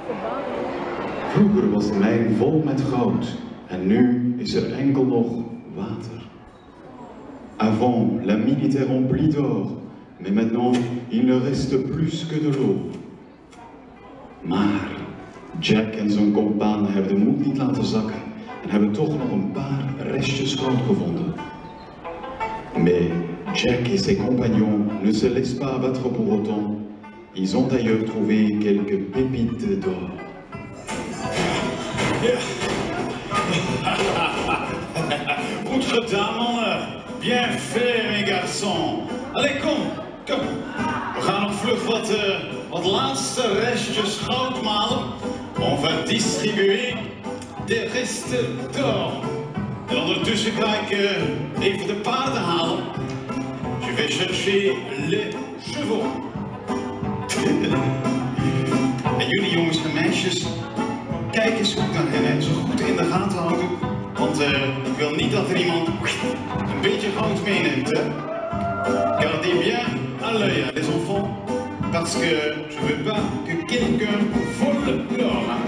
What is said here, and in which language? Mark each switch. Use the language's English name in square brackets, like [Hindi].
[Dutch] alleen vol met goud en nu is er enkel nog water. [French] Avant, la mine était remplie d'or, mais maintenant il ne reste plus que de l'eau. [Dutch] Maar Jack en zijn compaan hebben de moed niet laten zakken en hebben toch nog een paar restjes goud gevonden. [French] Mais Jack et ses compagnons ne se laissent pas abattre pour autant. Ils ont d'ailleurs trouvé quelques pépites d'or. [Dutch] Goed gedaan, mannen. [French] Bien fait, mes garçons. [Dutch] Allez, kom. Kom. We gaan nog vlug wat laatste restjes goud malen. [French] On va distribuer [Dutch] de resten [French] d'or. [Dutch] En ondertussen ga ik even de paarden halen. [French] Je vais chercher les chevaux. [Dutch] En jullie jongens en meisjes, kijk eens goed naar hen en zo goed in de gaten houden. Want ik wil niet dat er iemand een beetje goud meeneemt. [French] Gardez bien à l'œil, les enfants. Parce que je veux pas que quelqu'un vole l'or.